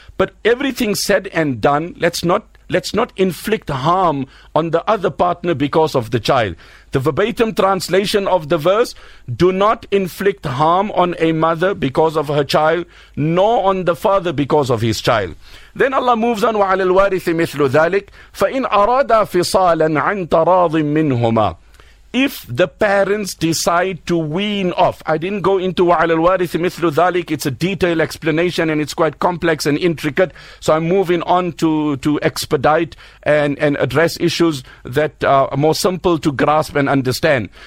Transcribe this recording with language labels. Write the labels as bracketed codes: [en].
[en] But everything said and done, let's not inflict harm on the other partner because of the child. The verbatim translation of the verse, do not inflict harm on a mother because of her child, nor on the father because of his child. Then Allah moves on, [ar] وَعَلَى الْوَارِثِ مِثْلُ ذَلِكَ فَإِنْ أَرَادَ فِصَالًا عَنْ تَرَاضٍ مِّنْهُمَا. [en] If the parents decide to wean off, I didn't go into [ar] وَعَلَى الْوَارِثِ مِثْلُ ذَلِكَ, [en] it's a detailed explanation and it's quite complex and intricate. So I'm moving on to expedite and address issues that are more simple to grasp and understand.